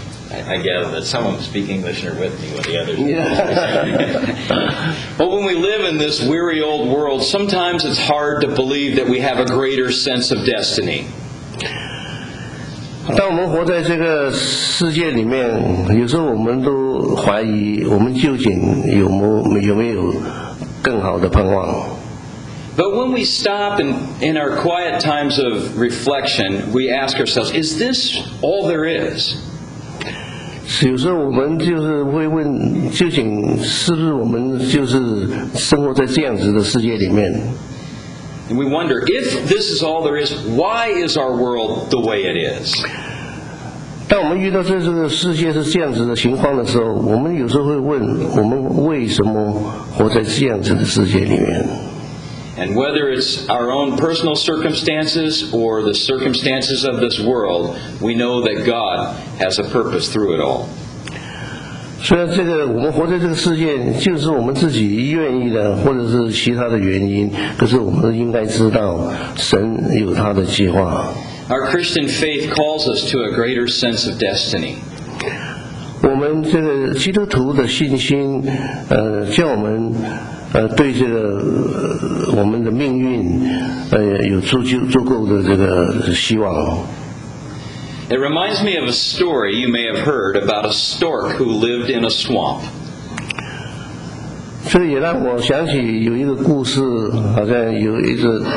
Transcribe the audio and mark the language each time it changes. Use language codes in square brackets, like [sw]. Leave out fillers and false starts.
[en] I gather that someone speaks English or with me or the others. Yeah. But when we live in this weary old world, sometimes it's hard to believe that we have a greater sense of destiny. [zh] 当我们活在这个世界里面，有时候我们都怀疑我们究竟有没有更好的盼望。 [en] But when we stop and in our quiet times of reflection, we ask ourselves, is this all there is? [zh] 有时候我们就是会问，究竟是不是我们就是生活在这样子的世界里面？ [en] We wonder, if this is all there is, why is our world the way it is? [zh] 当我们遇到这个世界是这样子的情况的时候，我们有时候会问，我们为什么活在这样子的世界里面？ [en] And whether it's our own personal circumstances or the circumstances of this world, we know that GodHas a purpose through it all. [zh] 虽然这个我们活在这个世界，就是我们自己愿意的，或者是其他的原因，可是我们应该知道，神有他的计划。 [en] Our Christian faith calls us to a greater sense of destiny. [zh] 我们这个基督徒的信心，叫我们对这个我们的命运，有足够的这个希望。 [en] It reminds me of a story you may have heard about a stork who lived in a swamp. [zh] 这也让我想起有一个故事，好像有一只